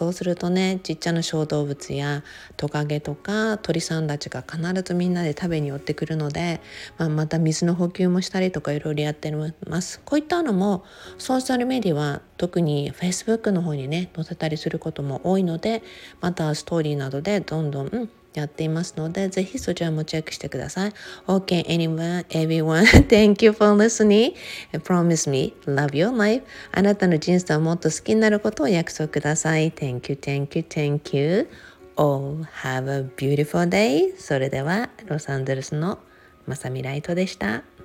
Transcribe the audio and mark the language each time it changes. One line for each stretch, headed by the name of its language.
Japanese: そうするとね、ちっちゃな小動物やトカゲとか鳥さんたちが必ずみんなで食べに寄ってくるので、また水の補給もしたりとかいろいろやってます。こういったのもソーシャルメディアは特に Facebook の方にね載せたりすることも多いので、またストーリーなどでどんどんやっていますので、ぜひそちらもチェックしてください。
English: OK anyone, everyone, thank you for listening. Promise me, love your life.
Japanese: あなたの人生をもっと好きになることを約束ください。
English: Thank you, thank you, thank you. All have a beautiful day.
Japanese: それではロサンゼルスのまさみライトでした。